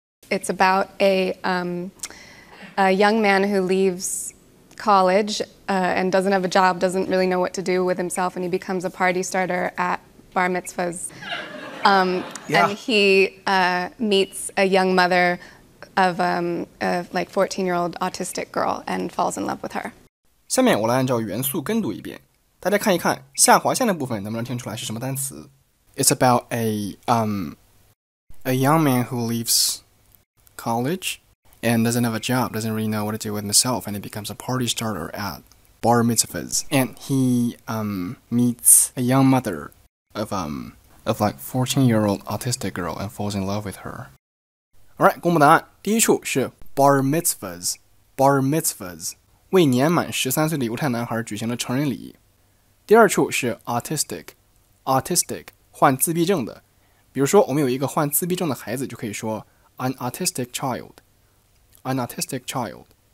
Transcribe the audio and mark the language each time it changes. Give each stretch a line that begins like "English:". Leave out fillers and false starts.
English: It's about a young man who leaves college and doesn't have a job, doesn't really know what to do with himself, and he becomes a party starter at bar mitzvahs. And he meets a young mother of a like 14-year-old autistic girl and falls in love with her.
Chinese: 下面我来按照元素跟读一遍，大家看一看下划线的部分能不能听出来是什么单词。
English: It's about a young man who leaves college and doesn't have a job, doesn't really know what to do with himself, and he becomes a party starter at bar mitzvahs. And he meets a young mother of like 14-year-old autistic girl and falls in love with her. Alright,
Chinese: 公布答案。第一处是 bar mitzvahs, bar mitzvahs. 为年满13岁的犹太男孩举行了成人礼仪。第二处是 autistic, autistic, 患自闭症的。比如说我们有一个患自闭症的孩子就可以说
English: an autistic child, an autistic child。